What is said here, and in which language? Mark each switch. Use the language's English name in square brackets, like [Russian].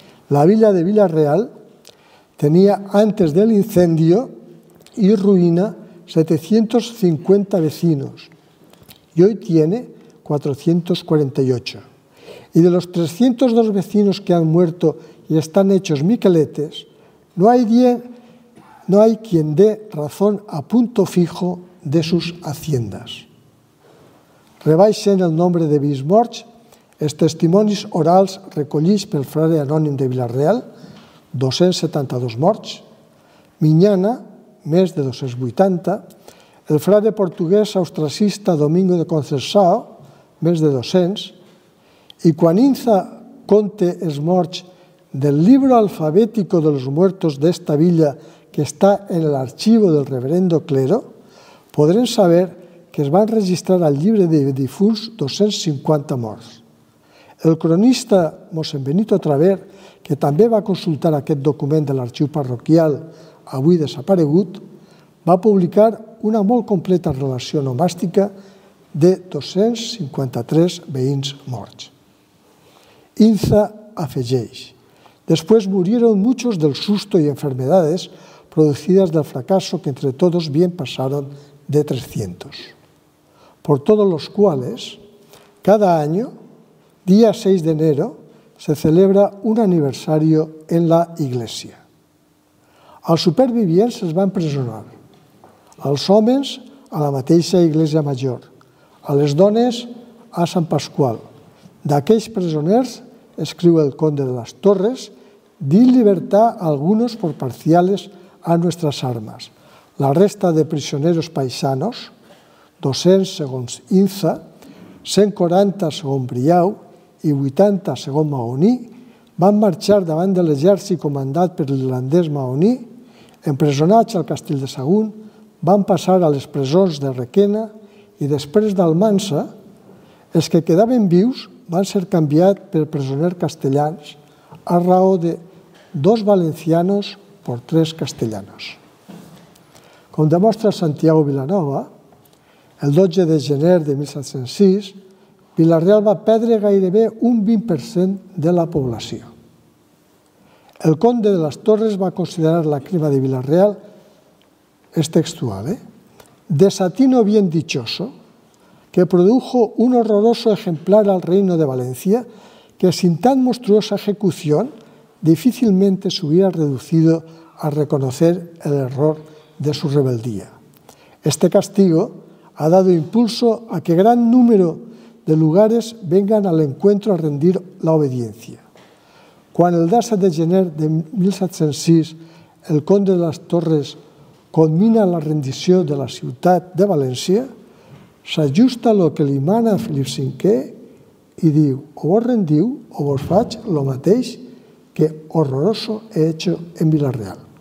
[Spanish] La villa de Villarreal tenía antes del incendio y ruina 750 vecinos y hoy tiene 448. Y de los 302 vecinos que han muerto y están hechos miqueletes, no hay quien dé razón a punto fijo de sus haciendas. [Catalan] Rebaixen el nombre de bismorts els testimonis orals recollits pel frare anònim de Villarreal, 272 morts, Minyana, més de 280, el frare portuguès austracista Domingo de Conceição, més de 200, i quan Inza conte els morts del [Spanish] libro alfabético de los muertos de esta villa que está en el archivo del reverendo clero, [Catalan] podrem saber que es van registrar al llibre de difunts 250 morts. El cronista mossèn Benito Traver, que també va consultar aquest document de l'arxiu parroquial avui desaparegut, va publicar una molt completa relació nomàstica de 253 veïns morts. Inza afegeix: [Spanish] después murieron muchos del susto y enfermedades producidas del fracaso que entre todos bien pasaron de 300. Por todos los cuales, cada año, día 6 de enero, se celebra un aniversario en la iglesia. [Catalan] Als supervivientes se les va a empresonar. Als homens, a la mateixa [Spanish] iglesia mayor. [Catalan] A les dones, a San Pascual. D'aquells presoners, escriu el conde de las Torres, [Spanish] di libertad a algunos por parciales a nuestras armas. [Catalan] La resta de prisioneros paisanos, 200 segons Inza, 140 segons Briau i 80 segons Mahoní, van marxar davant de l'exèrcit comandat per l'irlandès Mahoní, empresonats al castell de Sagunt, van passar a les presons de Requena i després d'Almansa, els que quedaven vius van ser canviats per presoners castellans a raó de dos valencianos per tres castellanos. Com demostra Santiago Vilanova, el 12 de gener de 1706, Villarreal va perdre gairebé un 20% de la població. [Spanish] El conde de las Torres [Catalan] va considerar la crema de Villarreal, és textual, [Spanish] desatino bien dichoso, que produjo un horroroso ejemplar al reino de Valencia, que sin tan monstruosa ejecución difícilmente se hubiera reducido a reconocer el error de su rebeldía. Este castigo ha dado impulso a que gran número de lugares vengan al encuentro a rendir la obediencia. [Catalan] quan el 17 de gener de 1706 el conde de les Torres culmina la rendició de la ciutat de València, s'ajusta el que li mana a Felip V i diu: o vos rendiu o vos faig el mateix que [Spanish] horroroso he hecho en Vila-real.